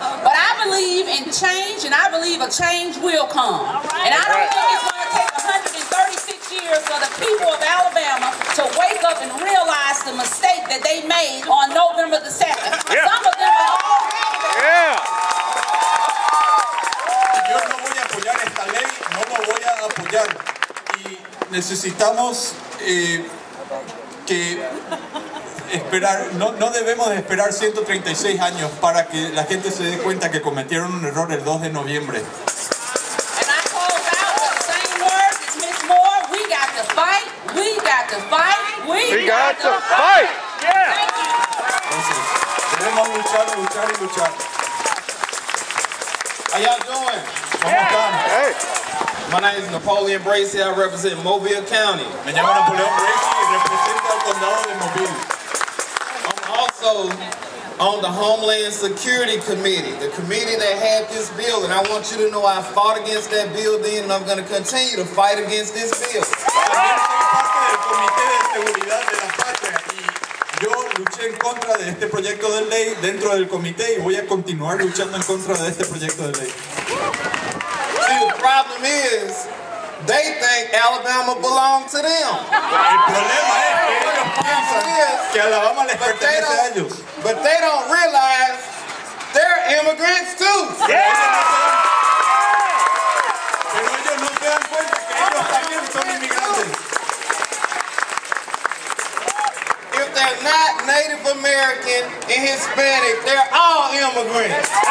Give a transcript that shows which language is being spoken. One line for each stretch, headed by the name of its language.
English: But I believe in change, and I believe a change will come. Right. And I don't think it's going to take 136 years for the people of Alabama to wake up and realize the mistake that they made on November the 2nd. Yeah. Some of them are already. Yeah.
Spanish: Yo no voy a apoyar esta ley, no lo voy a apoyar, y necesitamos. Que esperar, no debemos esperar 136 años para que la gente se dé cuenta que cometieron un error el 2 de noviembre.
English: And I call out the same words as Ms. Moore. We got to fight, we got to fight, we got to fight. Fight. Yeah.
Spanish: Entonces, debemos luchar, luchar y luchar.
English: How y'all doing? Yeah.
Spanish: ¿Cómo están?
English: Hey. My name is Napoleon Bracey. I represent Mobile County.
Spanish: Me llamo Napoleon Bracey y represento el condado de Mobile.
English: I'm also on the Homeland Security Committee, the committee that had this bill. And I want you to know I fought against that bill then, and I'm going to continue to fight against this bill.
Spanish: También soy parte del Comité de Seguridad de la Patria. Y yo luché en contra de este proyecto de ley dentro del comité y voy a continuar luchando en contra de este proyecto de ley.
English: See, the problem is, they think Alabama belongs to them.
Spanish: El problema es que ellos piensan que Alabama les pertenece a ellos.
English: But they don't realize they're immigrants too. Yeah.
Spanish: Pero ellos no se dan cuenta que ellos también son inmigrantes.
English: If they're not Native American and Hispanic, they're all immigrants.